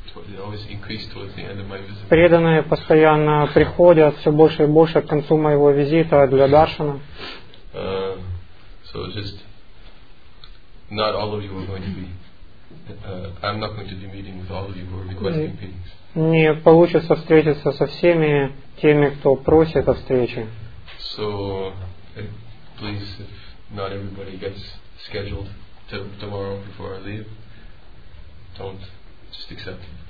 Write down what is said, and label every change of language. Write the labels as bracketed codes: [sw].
[en] They always increase towards the end of my visit. [ru] Преданные постоянно приходят все больше и больше к концу моего визита для даршана. [en] So just. Not all of you are going to be. I'm not going to be meeting with all of you who are requesting meetings. [ru] Не получится встретиться со всеми теми, кто просит о встрече. [en] So, please, if not everybody gets scheduled to tomorrow before I leave, don't just accept.